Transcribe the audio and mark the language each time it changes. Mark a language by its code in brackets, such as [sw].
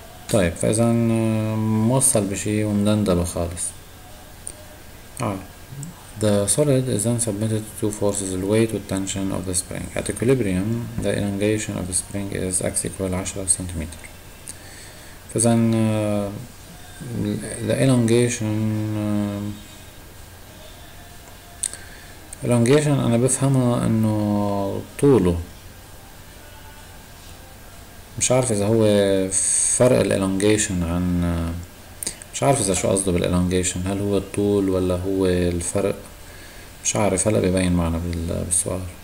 [ar] طيب فإذا موصل بشي ومدندبة خالص. [en] The solid is then submitted to two forces, the weight and tension of the spring. At equilibrium, the elongation of the spring is x equal 10 cm. [ar] فإذن [en] the elongation elongation [ar] أنا بفهمها إنه طوله، مش عارف إذا هو فرق الإلونجيشن عن مش عارف إذا شو قصده بالإلونجيشن، هل هو الطول ولا هو الفرق، مش عارف هلا بيبين معنا بالسؤال.